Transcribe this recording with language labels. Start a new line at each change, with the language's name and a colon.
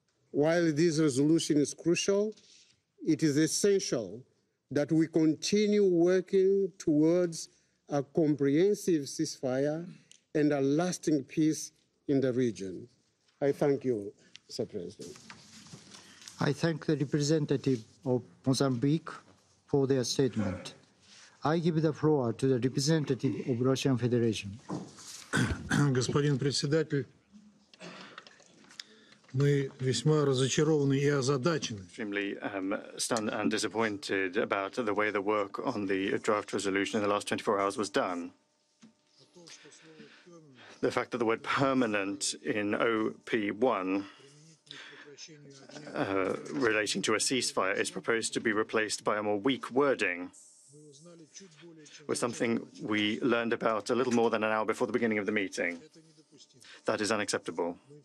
English: While this resolution is crucial, it is essential that we continue working towards a comprehensive ceasefire and a lasting peace in the region. I thank you, Sir President. I thank the representative of Mozambique for their statement. I give the floor to the representative of Russian Federation.
Russian: Господин председатель, мы весьма разочарованы и озадачены.
English: Extremely stunned and disappointed about the way the work on the draft resolution in the last 24 hours was done. The fact that the word permanent in OP1 relating to a ceasefire is proposed to be replaced by a more weak wording was something we learned about a little more than an hour before the beginning of the meeting. That is unacceptable.